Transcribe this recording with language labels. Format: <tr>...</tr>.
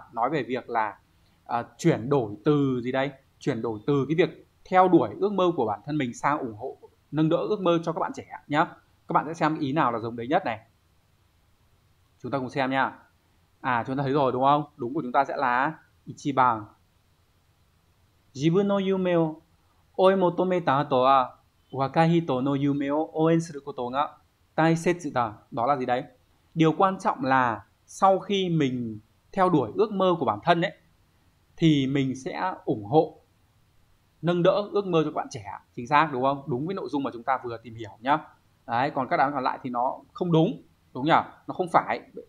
<vi>Nói về việc là chuyển đổi từ gì đây? Chuyển đổi từ cái việc theo đuổi ước mơ của bản thân mình sang ủng hộ, nâng đỡ ước mơ cho các bạn trẻ nhá. Các bạn sẽ xem ý nào là giống đấy nhất này. Chúng ta cùng xem nha. À, chúng ta thấy rồi đúng không? Đúng của chúng ta sẽ là Ichiban.</vi> <ja>自分の夢を追い求めた後は、若い人の夢を応援することが大切だ。</ja> <vi>Đó là gì đấy? Điều quan trọng là sau khi mình theo đuổi ước mơ của bản thân ấy, thì mình sẽ ủng hộ, nâng đỡ ước mơ cho các bạn trẻ. Chính xác đúng không? Đúng với nội dung mà chúng ta vừa tìm hiểu nhá. Đấy, còn các đáp án còn lại thì nó không đúng, đúng nhỉ? Nó không phải.</vi>